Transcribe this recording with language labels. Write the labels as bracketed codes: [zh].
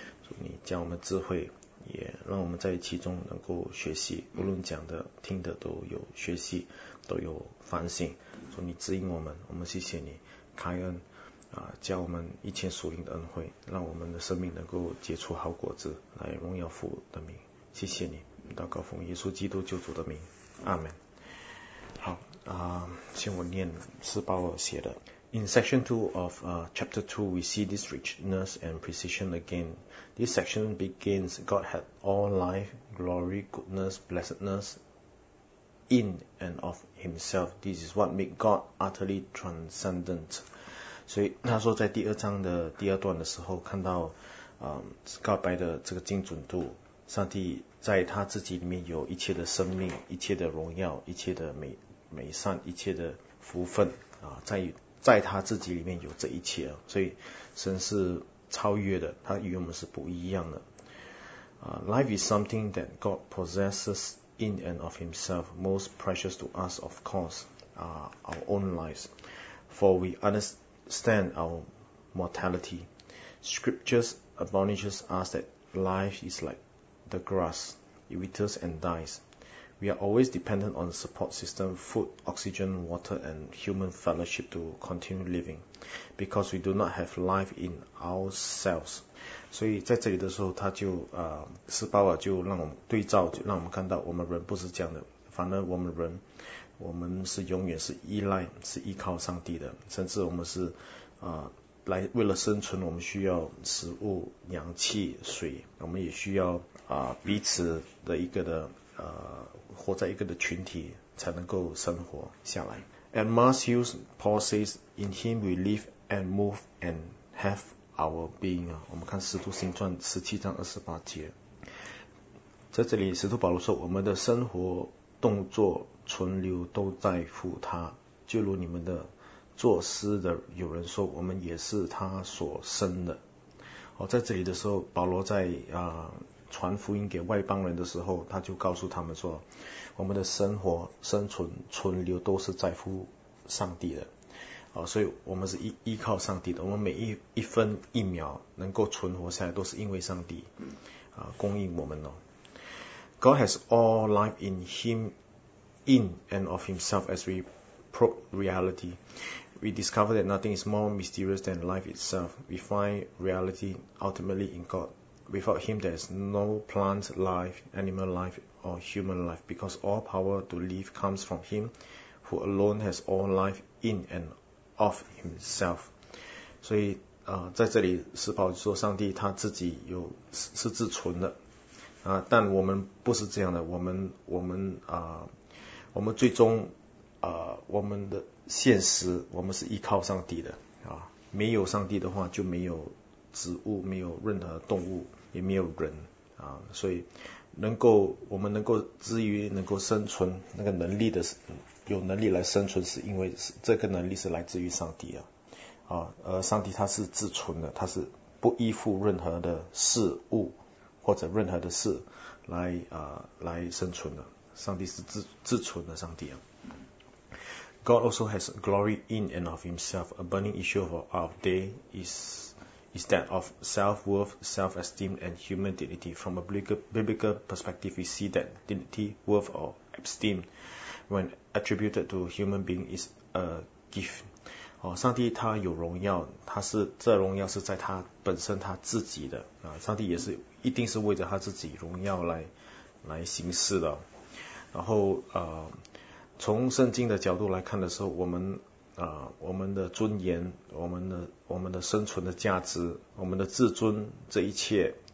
[zh] 主，你将我们智慧，也让我们在其中能够学习，无论讲的、听的都有学习，都有反省。主，你指引我们，我们谢谢你，开恩，加我们一切属灵的恩惠，让我们的生命能够结出好果子，来荣耀父的名。谢谢你，祷告奉耶稣基督救主的名，阿门。好，先我念斯鲍尔写的。 [en] In section 2 of chapter 2, we see this richness and precision again. This section begins, God hath all life, glory, goodness, blessedness in and of himself. This is what makes God utterly transcendent. [zh] 所以他说，在第二章的第二段的时候，看到，告白的这个精准度，上帝在他自己里面有一切的生命、一切的荣耀、一切的美善、一切的福分啊，在他自己里面有这一切，所以神是超越的，他与我们是不一样的。 [en] Life is something that God possesses in and of Himself, most precious to us, of course, our own lives, for we understand our mortality. Scriptures admonishes us that life is like the grass. It withers and dies. We are always dependent on support system, food, oxygen, water, and human fellowship to continue living. Because we do not have life in ourselves. [zh] 所以在这里的时候，他就斯巴瓦就让我们对照，就让我们看到我们人不是这样的。反而我们是永远是依赖，是依靠上帝的，甚至我们是来为了生存，我们需要食物、氧气、水，我们也需要彼此的一个的活在一个的群体才能够生活下来。 [en] And Mars Hughes Paul says, in him we live and move and have our being. [zh] 我们看使徒行传17:28，在这里使徒保罗说，我们的生活、动作、存留都在乎他，就如你们的作诗的有人说，我们也是他所生的。在这里的时候，保罗在传福音给外邦人的时候，他就告诉他们说，我们的生活、生存、存留都是在乎上帝的。所以我们是依靠上帝的，我们每一分一秒能够存活下来，都是因为上帝供应我们哦。 [en] God has all life in him, in and of himself as we probe reality. We discover that nothing is more mysterious than life itself. We find reality ultimately in God. Without him, there is no plant life, animal life, or human life, because all power to live comes from him, who alone has all life in and of himself. [zh] 所以在这里是保罗说，上帝他自己是自存的。但我们不是这样的，我们最终我们的现实，我们是依靠上帝的啊，没有上帝的话，就没有植物，没有任何动物，也没有人啊，所以我们能够至于能够生存那个能力的，有能力来生存，是因为这个能力是来自于上帝而上帝他是自存的，他是不依附任何的事物。或者任何的事来生存的，上帝是自存的上帝啊。 [en] God also has glory in and of himself. A burning issue of our day is that of self-worth, self-esteem, and human dignity. From a biblical perspective, we see that dignity, worth, or esteem, when attributed to human being, is a gift. [zh] 上帝他有荣耀，他是这荣耀是在他本身他自己的上帝也是。一定是为着他自己荣耀来行事的。然后从圣经的角度来看的时候，我们的尊严，我们的生存的价值，我们的自尊，这一切